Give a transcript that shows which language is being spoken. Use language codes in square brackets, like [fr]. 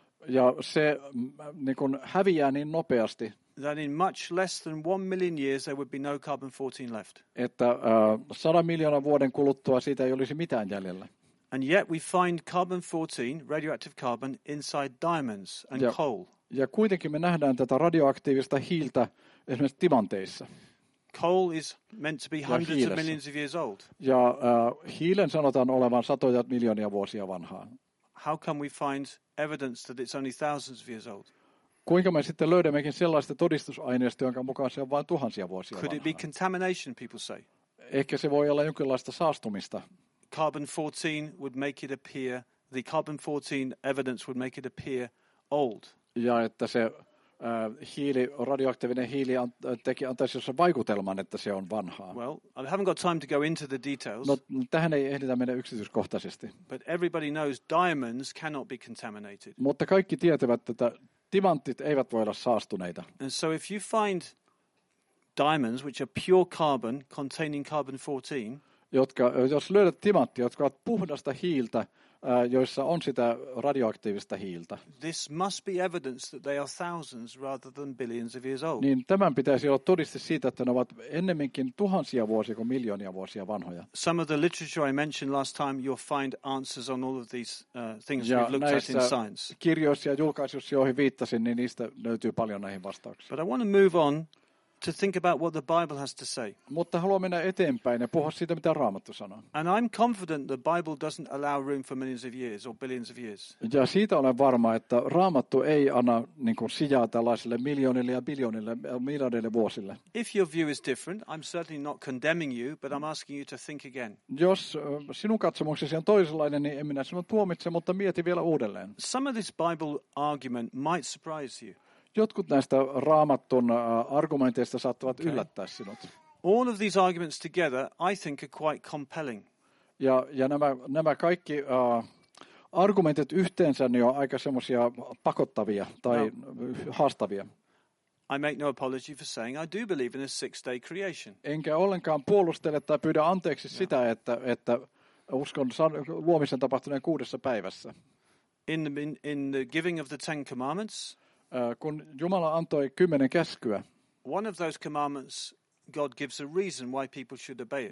[fi] Ja se niin kuin häviää niin nopeasti. [en] That in much less than 1 million years there would be no carbon 14 left. [fi] Että 100 miljoonan vuoden kuluttua siitä ei olisi mitään jäljellä. [en] And yet we find carbon 14, radioactive carbon, inside diamonds and coal. [fi] Ja kuitenkin me nähdään tätä radioaktiivista hiiltä esimerkiksi timanteissa. [en] Coal is meant to be hundreds of millions of years old. [fi] Ja hiilen sanotaan olevan satoja miljoonia vuosia vanhaa. [en] How can we find evidence that it's only thousands of years old? [fi] Kuinka me sitten löydämmekin sellaista todistusaineistoa, jonka mukaan se on vain tuhansia vuosia vanhaa? [en] Could it be contamination, people say? [fi] Ehkä se voi olla jonkinlaista saastumista. [en] Carbon 14 would make it appear, the carbon 14 evidence would make it appear old. [fi] Ja että se hiili, radioaktiivinen hiili antaisi jossain vaikutelman, että se on vanhaa. [en] Well, I haven't got time to go into the details. [fi] No, tähän ei ehditä mennä yksityiskohtaisesti. [en] But everybody knows diamonds cannot be contaminated. [fi] Mutta kaikki tietävät, että timanttit eivät voi olla saastuneita. [en] And so if you find diamonds, which are pure carbon, containing carbon 14, [fi] jos löydät timanttia, jotka ovat puhdasta hiiltä, joissa on sitä radioaktiivista hiiltä. [en] This must be evidence that they are thousands rather than billions of years old. [fi] Niin tämän pitäisi olla todiste siitä, että ne ovat ennemminkin tuhansia vuosia kuin miljoonia vuosia vanhoja. [en] Some of the literature I mentioned last time, you'll find answers on all of these things we've looked at in science. [fi] Ja kirjoissa ja julkaisuissa, joihin viittasin, niin niistä löytyy paljon näihin vastauksiin. [en] But I want to move on to think about what the Bible has to say. [fi] Mutta haluan mennä eteenpäin ja puhua siitä, mitä Raamattu sanoo. [en] And I'm confident the Bible doesn't allow room for millions of years or billions of years. [fi] Ja siitä olen varma, että Raamattu ei anna niin kuin sijaa tällaisille miljoonille ja biljoonille miljardeille vuosille. [en] If your view is different, I'm certainly not condemning you, but I'm asking you to think again. [fi] Jos sinun katsomuksesi on toisenlainen, niin en minä sinua tuomitse, mutta mieti vielä uudelleen. [en] Some of this Bible argument might surprise you. [fi] Jotkut näistä Raamattun argumenteista saattavat yllättää sinut. [en] All of these arguments together, I think, are quite compelling. [fi] Ja nämä kaikki argumentit yhteensä niin on aika semmoisia pakottavia tai haastavia. [en] I make no apology for saying I do believe in a six-day creation. [fi] Enkä ollenkaan puolustele tai pyydä anteeksi sitä, että uskon luomisen tapahtuneen kuudessa päivässä. [en] In the giving of the Ten Commandments. [fi] Kun Jumala antoi 10 käskyä. [en] One of those commandments God gives a reason why people should obey it.